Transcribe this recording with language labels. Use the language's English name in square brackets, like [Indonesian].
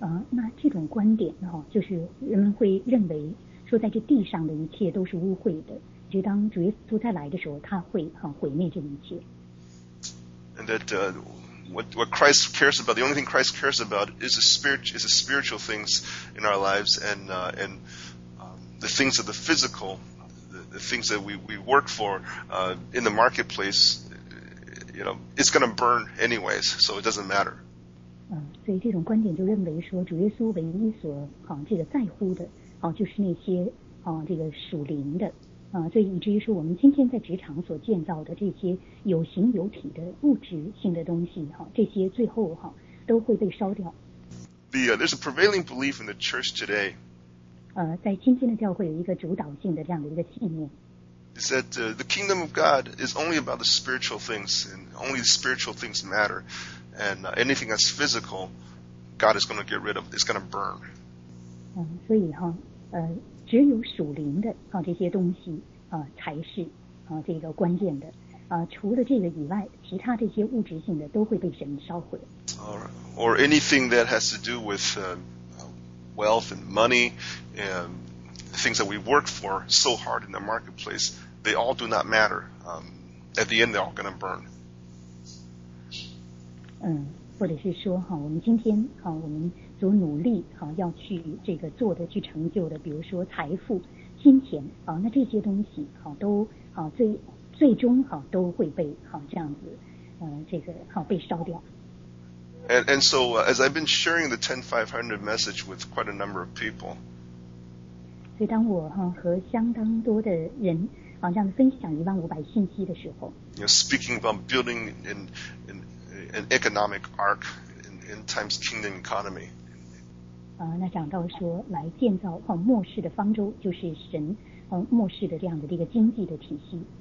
[Chinese] 那这种观点就是人们会认为说在这地上的一切都是污秽的，就当主耶稣再来的时候他会毁灭这一切。 [English] And that what Christ cares about, the only thing Christ cares about is the spiritual things in our lives and the things of the physical, the things that we work for in the marketplace, you know, it's going to burn anyways, so it doesn't matter. [Chinese] 所以这种观点就认为说主耶稣唯一所这个在乎的就是那些这个属灵的所以以至于说我们今天在职场所建造的这些有形有体的物质性的东西这些最后都会被烧掉。 [English] There's a prevailing belief in the church today. [Chinese] 在今天的教会有一个主导性的这样的一个信念。 [English] Is that the kingdom of God is only about the spiritual things, and only the spiritual things matter. And anything that's physical, God is going to get rid of. It's going to burn. [Chinese] 所以只有属灵的这些东西才是这个关键的除了这个以外，其他这些物质性的都会被神烧毁。 [English] Or anything that has to do with wealth and money and things that we work for so hard in the marketplace, they all do not matter. At the end, they're all going to burn. [Chinese] 或者是说我们今天我们所努力要去这个做的去成就的，比如说财富、金钱那这些东西都最终都会被这样子这个被烧掉。 [English] And so, as I've been sharing the 10500 message with quite a number of people, [Chinese] 所以当我和相当多的人好像分享一万五百信息的时候 [English] you know, speaking about building an economic arc in time's kingdom economy, [Chinese] 那讲到说来建造末世的方舟，就是神末世的这样的一个经济的体系。